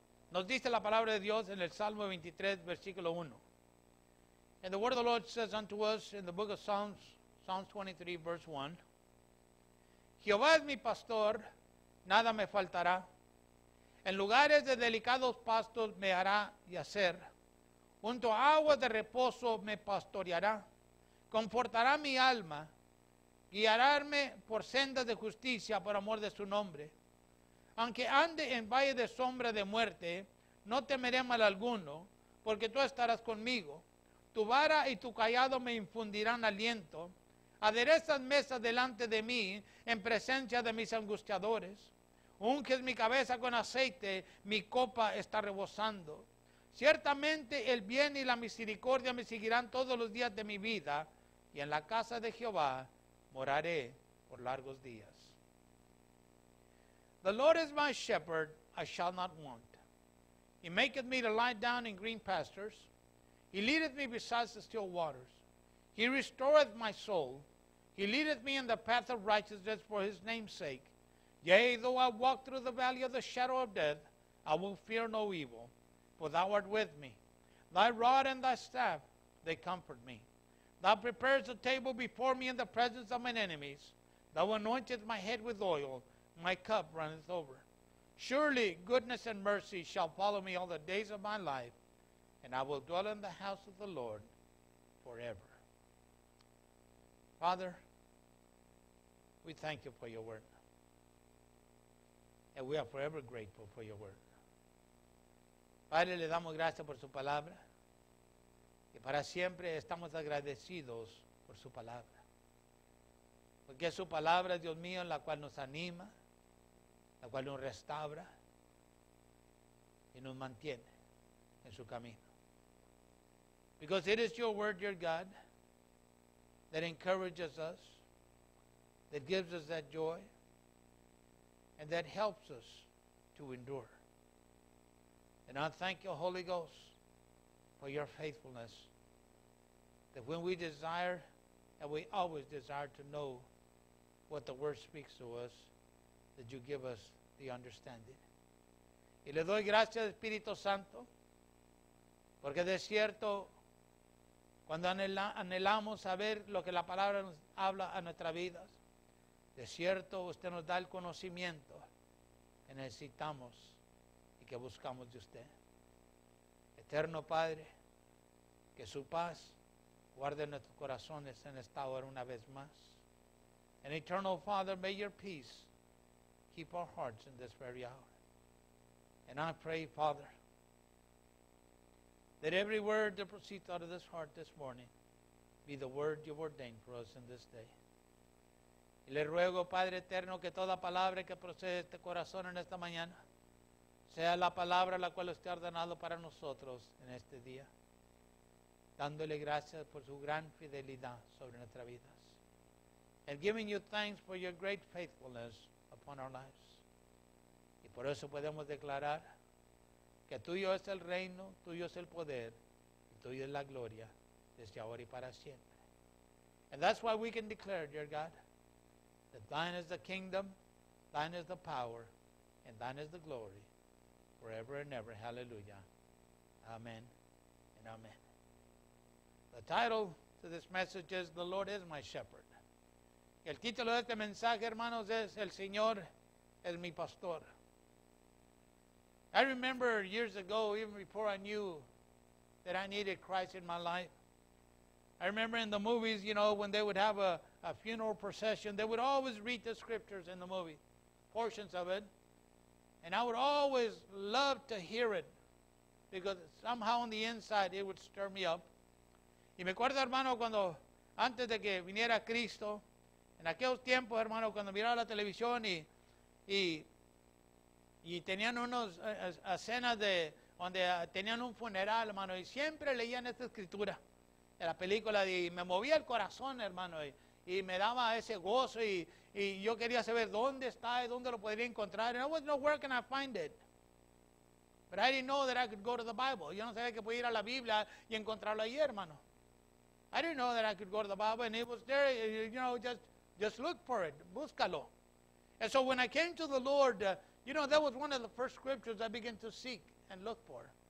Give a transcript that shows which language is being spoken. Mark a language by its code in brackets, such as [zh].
[es] Nos dice la palabra de Dios en el Salmo 23, versículo 1. [en] And the word of the Lord says unto us in the book of Psalms, Psalms 23, verse 1. [es] Jehová es mi pastor, nada me faltará. En lugares de delicados pastos me hará yacer. Junto a aguas de reposo me pastoreará. Confortará mi alma. Guiaráme por sendas de justicia por amor de su nombre. Aunque ande en valle de sombra de muerte, no temeré mal alguno, porque tú estarás conmigo. Tu vara y tu callado me infundirán aliento. Aderezas mesa delante de mí en presencia de mis angustiadores. Unges mi cabeza con aceite, mi copa está rebosando. Ciertamente el bien y la misericordia me seguirán todos los días de mi vida, y en la casa de Jehová moraré por largos días. [en] The Lord is my shepherd, I shall not want. He maketh me to lie down in green pastures. He leadeth me beside the still waters. He restoreth my soul. He leadeth me in the path of righteousness for his name's sake. Yea, though I walk through the valley of the shadow of death, I will fear no evil, for thou art with me. Thy rod and thy staff, they comfort me. Thou preparest a table before me in the presence of mine enemies. Thou anointest my head with oil. My cup runneth over. Surely goodness and mercy shall follow me all the days of my life, and I will dwell in the house of the Lord forever. Father, we thank you for your word. And we are forever grateful for your word. [es] Padre, le damos gracias por su palabra. Y para siempre estamos agradecidos por su palabra. Porque es su palabra, Dios mío, la cual nos anima, la cual nos restaura y nos mantiene en su camino. [en] Because it is your word, dear God, that encourages us, that gives us that joy, and that helps us to endure. And I thank you, Holy Ghost, for your faithfulness, that when we desire, and we always desire to know what the word speaks to us, that you give us the understanding. [es] Y le doy gracias, Espíritu Santo, porque de cierto, cuando anhelamos saber lo que la palabra nos habla a nuestras vidas, de cierto, usted nos da el conocimiento que necesitamos y que buscamos de usted. Eterno Padre, que su paz guarde nuestros corazones en esta hora una vez más. [en] And Eternal Father, may your peace keep our hearts in this very hour. And I pray, Father, that every word that proceeds out of this heart this morning be the word you've ordained for us in this day. [es] Y le ruego, Padre eterno, que toda palabra que procede de este corazón en esta mañana sea la palabra la cual usted ha ordenado para nosotros en este día, dándole gracias por su gran fidelidad sobre nuestras vidas. [en] And giving you thanks for your great faithfulness upon our lives. [es] Y por eso podemos declarar que tuyo es el reino, tuyo es el poder, y tuyo es la gloria desde ahora y para siempre. [en] And that's why we can declare, dear God, that thine is the kingdom, thine is the power, and thine is the glory forever and ever. Hallelujah. Amen and amen. The title to this message is The Lord is My Shepherd. [es] El título de este mensaje, hermanos, es El Señor es mi pastor. [en] I remember years ago, even before I knew that I needed Christ in my life, I remember in the movies, you know, when they would have a funeral procession, they would always read the scriptures in the movie, portions of it. And I would always love to hear it because somehow on the inside it would stir me up. [es] Y me acuerdo, hermano, cuando antes de que viniera Cristo, en aquellos tiempos, hermano, cuando miraba la televisión y tenían unos escenas de donde tenían un funeral, hermano, y siempre leían esta escritura de la película, y me movía el corazón, hermano, y me daba ese gozo, y yo quería saber dónde está y dónde lo podría encontrar. [en] And I was nowhere can I find it. But I didn't know that I could go to the Bible. [es] Yo no sabía que podía ir a la Biblia y encontrarlo ahí, hermano. [en] I didn't know that I could go to the Bible, and it was there, you know, just look for it, [es] búscalo. [en] And so when I came to the Lord You know, that was one of the first scriptures I began to seek and look for.